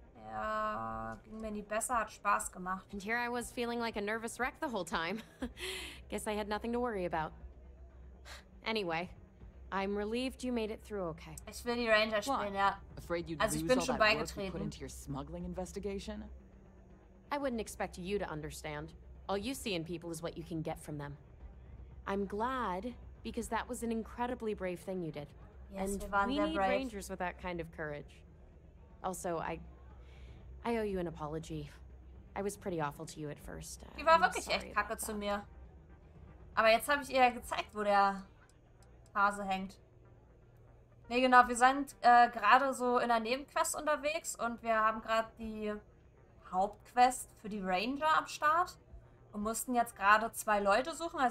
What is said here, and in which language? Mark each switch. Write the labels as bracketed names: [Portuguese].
[German] Ja, ging mir nie besser, hat Spaß gemacht. [English] And here I was feeling like a nervous wreck the whole time. Guess I had nothing to worry about. Anyway, I'm relieved you made it through okay. [German] Ich will die Ranger spielen, ja. [English] Afraid you'd lose all that work you put into your smuggling investigation? I wouldn't expect you to understand. All you see in people is what you can get from them. I'm glad, because that was an incredibly brave thing you did. Yes, and we need Rangers with that kind of courage. Also, I owe you an apology. I was pretty awful to you at first. [German] Die war wirklich echt kacke zu mir. Aber jetzt habe ich ihr gezeigt, wo der Hase hängt. Nee, genau, wir sind gerade so in einer Nebenquest unterwegs und wir haben gerade die Hauptquest für die Ranger am Start und mussten jetzt gerade zwei Leute suchen.